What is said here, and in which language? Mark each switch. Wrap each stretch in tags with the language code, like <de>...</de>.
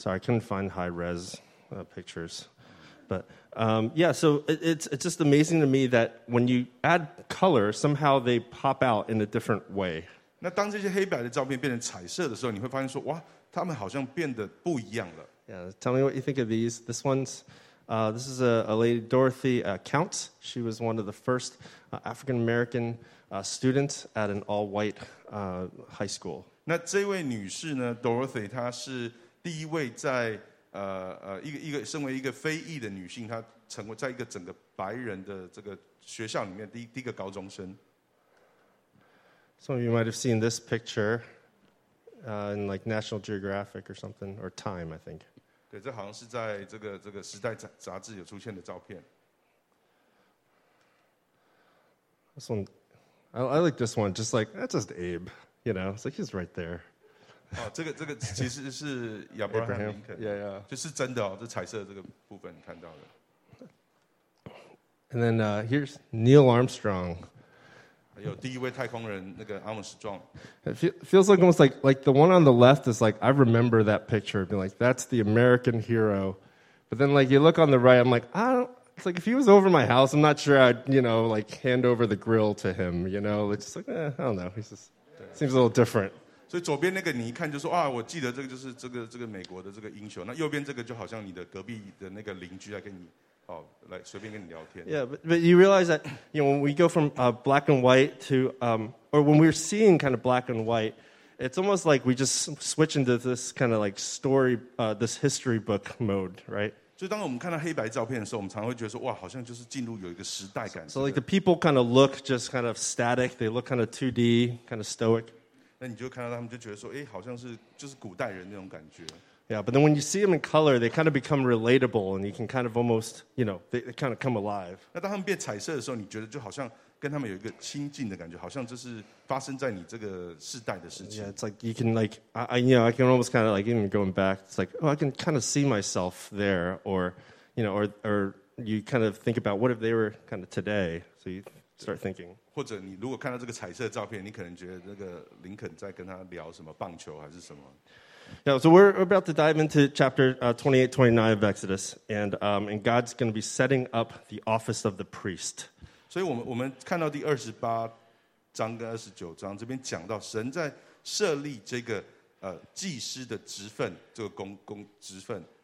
<en>Sorry, I couldn't find high res pictures, but yeah. So it's just amazing to me that when you add color, somehow they pop out in a different way.</en> <zh>那当这些黑白的照片变成彩色的时候，你会发现说哇。他们好像变得不一样了。</zh> <en>Yeah, tell me what you think of these. This one's, this is a lady, Dorothy Counts. She was one of the first African American students at an all-white high school.</en> <zh>那这位女士呢 ，Dorothy， 她是第一位在一个身为一个非裔的女性，她成为在一个整个白人的这个学校里面第一个高中生。</zh> <en>Some of you might have seen this picture. In like National Geographic or something, or Time, I think.</en> <zh>对，这好像是在这个《时代》杂志有出现的照片。</zh> <en>This one, I like this one. Just like that's just Abe, you know. It's like he's right there.</en> <zh>哦，这个其实是亚伯拉罕·林肯。</zh> <en>Yeah, yeah.</en> <zh>就是真的哦，这彩色的这个部分看到的。</zh> <en>And then here's Neil Armstrong.</en> <zh>有第一位太空人那个阿姆斯壮</zh> <en>，It feels like almost like the one on the left is like I remember that picture, be like that's the American hero, but then like you look on the right, I'm like I don't, it's like if he was over my house, I'm not sure I'd you know like hand over the grill to him, you know, it's just like I don't know, he's just seems a little different.</en> <zh>所以左边那个你一看就说啊，我记得这个就是这个美国的这个英雄，那右边这个就好像你的隔壁的那个邻居在跟你。来随便跟你聊天。</zh> <en>Yeah, but you realize that you know when we go from black and white to or when we're seeing kind of black and white, it's almost like we just switch into this kind of like story, this history book mode, right?</en> <zh>就当我们看到黑白照片的时候，我们常会觉得说，哇，好像就是进入有一个时代感。</zh> <en>So like the people kind of look just kind of static. They look kind of 2D, kind of stoic.</en> <zh>那你就看到他们就觉得说，哎，好像是就是古代人那种感觉。</zh> <en>Yeah, but then when you see them in color, they kind of become relatable, and you can kind of almost, you know, they kind of come alive.</en> <zh>那当他们变彩色的时候，你觉得就好像跟他们有一个亲近的感觉，好像这是发生在你这个世代的事情。</zh> <en>Yeah, it's like you can like I can almost kind of like even going back. It's like oh, I can kind of see myself there, or you know, or you kind of think about what if they were kind of today. So you start thinking.</en> <zh>或者你如果看到这个彩色照片，你可能觉得那个林肯在跟他聊什么棒球还是什么。</zh> <en>Yeah, so we're about to dive into chapter 28, 29 of Exodus, and God's going to be setting up the office of the priest. So we can see the 28th chapter and 29th chapter. Here we talk about God in setting this office.</en>